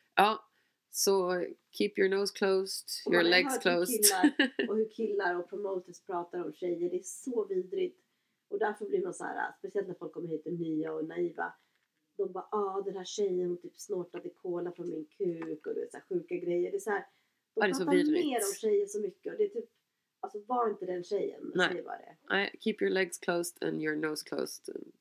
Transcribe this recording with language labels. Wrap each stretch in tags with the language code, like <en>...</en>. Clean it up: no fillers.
<sv>Ja, så</sv> <en>keep your nose closed, your legs closed.</en> <sv>Hur killar och promoters pratar om tjejer, det är så vidrigt. Och därför blir man så här, speciellt när folk kommer hit och nya och naiva. De bara, ah, den här tjejen typ snortade cola från min kuk och det är så här sjuka grejer. Det är så här, de pratar så vidrigt. Mer om tjejer så mycket och det är typ. Alltså var inte den tjejen. Nej. Säger bara det.</sv> <en>I keep your legs closed and your nose closed.</en>